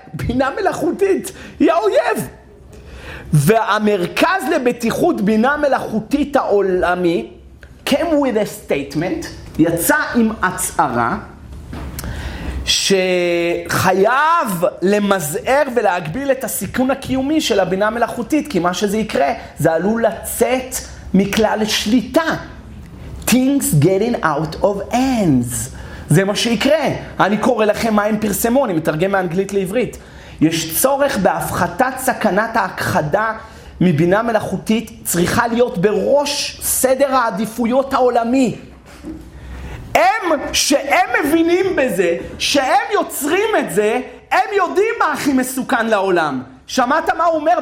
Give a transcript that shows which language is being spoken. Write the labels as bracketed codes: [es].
[he] בינה מלאכותית. היא האויב. והמרכז לבטיחות בינה מלאכותית העולמי [en] came with a statement, [he] יצא עם הצהרה, שחייב למזער ולהגביל את הסיכון הקיומי של הבינה המלאכותית, כי מה שזה יקרה, זה עלול לצאת מכלל שליטה. [en] Things getting out of hands. [he] זה מה שיקרה. אני קורא לכם מה הם פרסמו, אני מתרגם מאנגלית לעברית. יש צורך בהפחתת סכנת ההכחדה מבינה מלאכותית, צריכה להיות בראש סדר העדיפויות העולמי. הם, שהם מבינים בזה, שהם יוצרים את זה, הם יודעים מה הכי מסוכן לעולם. שמעת מה הוא אומר?